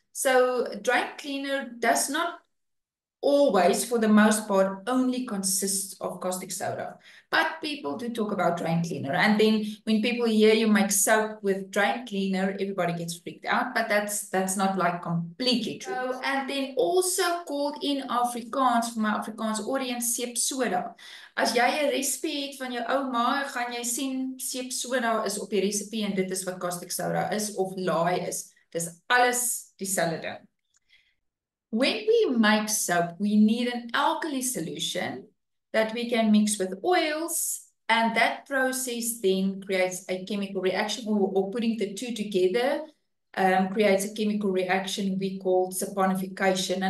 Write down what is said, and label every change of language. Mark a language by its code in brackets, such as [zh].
[en] So drain cleaner does not always, for the most part, only consists of caustic soda. But people do talk about drain cleaner. And then when people hear you make soap with drain cleaner, everybody gets freaked out. But that's not like completely true. So, and then also called in Afrikaans, for my Afrikaans audience, seep soda. [af] As jy 'n resepie het van jou ouma, gaan jy sien seep soda is op die resepie en dit is wat caustic soda is of lye is. Dis alles dieselfde ding. [en] When we make soap, we need an alkali solution that we can mix with oils, and that process then creates a chemical reaction, or putting the two together creates a chemical reaction we call saponification.